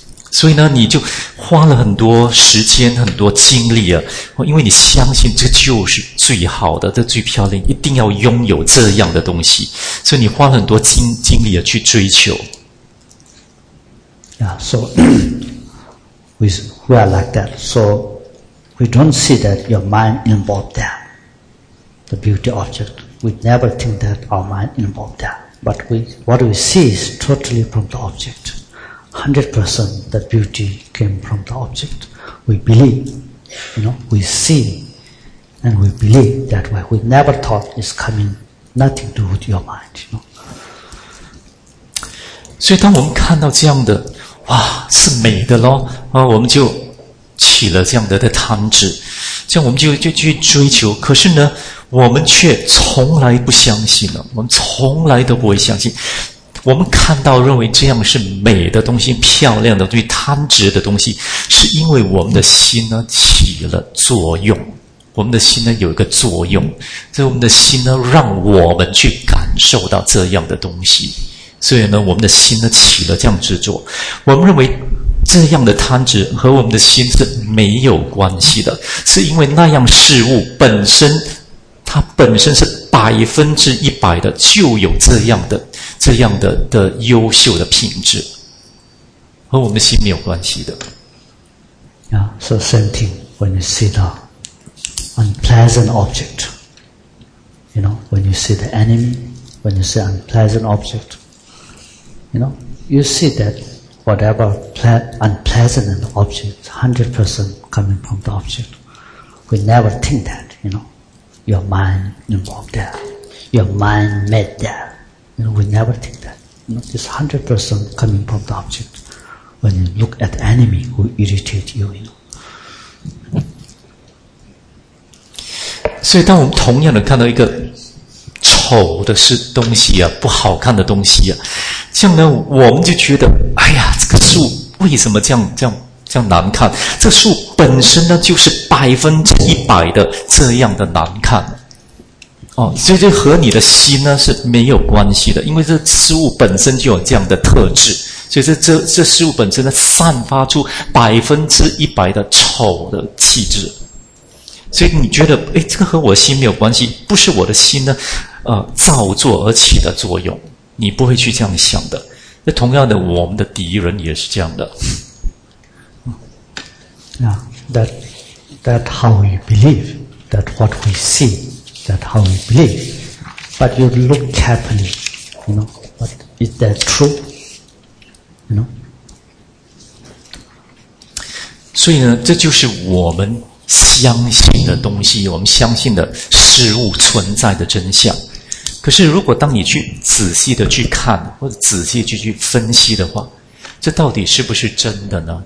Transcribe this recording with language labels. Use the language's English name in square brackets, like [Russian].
[Chinese] 所以呢，你就花了很多时间、很多精力啊，因为你相信这就是最好的、这最漂亮，一定要拥有这样的东西，所以你花了很多精力啊去追求。 [English] Yeah, so we are like that. So we don't see that your mind involved there, the beauty object. We never think that our mind involved there. But what we see is totally from the object. 100% the beauty came from the object. We believe, you know, we see, and we believe that way. We never thought it's coming, nothing to do with your mind, you know. [Chinese] 所以当我们看到这样的，哇，是美的咯，啊，我们就起了这样的贪执，这样我们就去追求，可是呢，我们却从来不相信了，我们从来都不会相信。我们看到认为这样是美的东西，漂亮的东西，贪执的东西，是因为我们的心呢起了作用，我们的心呢有一个作用，所以我们的心呢让我们去感受到这样的东西，所以呢我们的心呢起了这样执着，我们认为这样的贪执和我们的心是没有关系的，是因为那样事物本身，它本身是100%的，就有这样的优秀的品质，和我们的心没有关系的。 [English] Yeah, so same thing when you see the unpleasant object, you know, when you see the enemy, when you see unpleasant object, you know, you see that whatever unpleasant object, 100% coming from the object, we never think that, you know. Your mind involved there. Your mind made there. You know, we never think that. You know, this 100% coming from the object. When you look at enemy who irritate you, you know. [Chinese] 所以当我们同样的看到一个丑的东西啊，不好看的东西啊，这样呢，我们就觉得，哎呀，这个树为什么这样难看，这树本身呢就是100%的这样的难看，哦，所以这和你的心呢是没有关系的，因为这事物本身就有这样的特质，所以这事物本身呢散发出100%的丑的气质，所以你觉得，哎，这个和我的心没有关系，不是我的心呢，造作而起的作用，你不会去这样想的。那同样的，我们的敌人也是这样的。 [English] Yeah, that how we believe, that what we see, that how we believe. But you look carefully, you know, but is that true? You know? [Chinese] 所以呢，这就是我们相信的东西，我们相信的事物存在的真相。可是如果当你去仔细的去看，或者仔细去分析的话，这到底是不是真的呢？